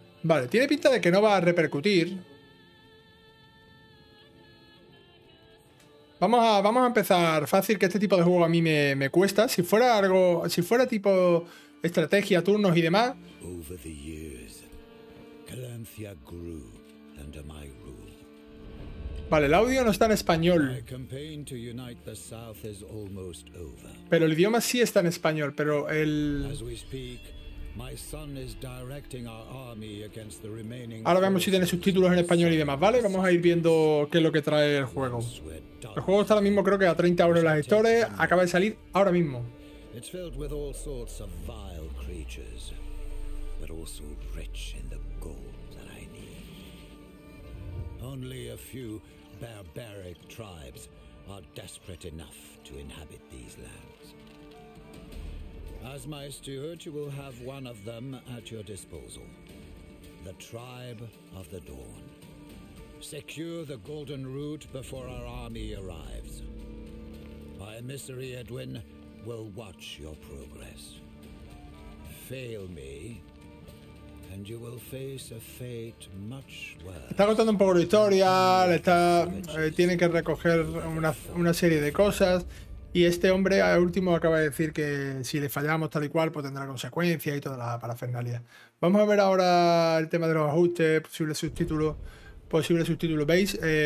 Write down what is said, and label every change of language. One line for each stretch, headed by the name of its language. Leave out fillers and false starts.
Spanish: Vale, tiene pinta de que no va a repercutir. Vamos a empezar fácil, que este tipo de juego a mí me cuesta. Si fuera algo, si fuera tipo estrategia, turnos y demás.
English: Over the years, Calancia grew under my rule.
Spanish: Vale, el audio no está en español.
English: My campaign to unite the South is almost over.
Spanish: Pero el idioma sí está en español, pero el...
English: As we speak, my son is directing our army against the remaining.
Spanish: Ahora vemos si tiene subtítulos en español y demás, ¿vale? Vamos a ir viendo qué es lo que trae el juego. El juego está ahora mismo, creo que a 30 euros en las stores. Acaba de salir ahora mismo.
English: It's filled with all sorts of vile creatures, but also rich in the gold that I need. Only a few barbaric tribes are desperate enough to inhabit these lands. As my steward, you will have one of them at your disposal. The Tribe of the Dawn. Secure the Golden Root before our army arrives. My emissary, Edwin, will watch your progress. Fail me, and you will face a fate much worse.
Spanish: Está contando un poco de historia, tiene que recoger una serie de cosas. Y este hombre, al último, acaba de decir que si le fallamos tal y cual, pues tendrá consecuencias y toda la parafernalia. Vamos a ver ahora el tema de los ajustes, posibles subtítulos. ¿Veis?